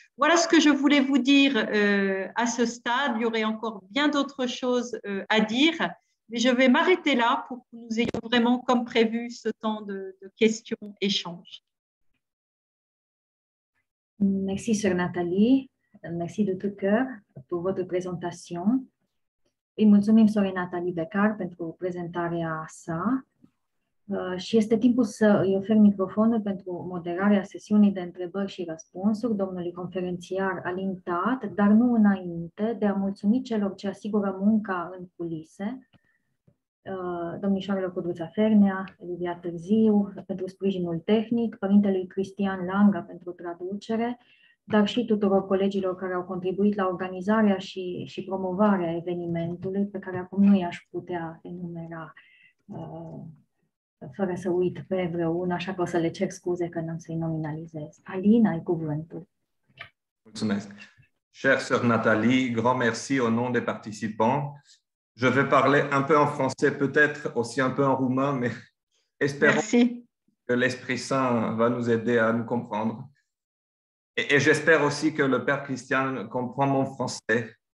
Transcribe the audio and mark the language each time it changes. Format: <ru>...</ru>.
<fr>Voilà ce que je voulais vous dire à ce stade. Il y aurait encore bien d'autres choses à dire, mais je vais m'arrêter là pour que nous ayons vraiment, comme prévu, ce temps de questions-échanges. Merci, Sœur Nathalie. Merci de tout cœur pour votre présentation.</fr> <ro>Îi mulțumim Sorei Nathalie Becar pentru prezentarea sa și este timpul să îi ofer microfonul pentru moderarea sesiunii de întrebări și răspunsuri domnului conferențiar Alin Tat, dar nu înainte de a mulțumi celor ce asigură munca în culise, domnișoarele Codruța Fernea, Livia Târziu pentru sprijinul tehnic, părintelui Cristian Langa pentru traducere, dar și tuturor colegilor care au contribuit la organizarea și promovarea evenimentului, pe care acum nu i-aș putea enumera fără să uit pe vreun, așa că o să le cer scuze că n-am să-i nominalizez. Alin, ai cuvântul. Mulțumesc.</ro> <fr>Chère Sœur Nathalie, grand merci au nom des participants. Je vais parler un peu en français, peut-être aussi un peu en roumain, mais espérons Merci. Que l'Esprit Saint va nous aider à nous comprendre. Et j'espère aussi que le Père Christian comprend mon français.</fr>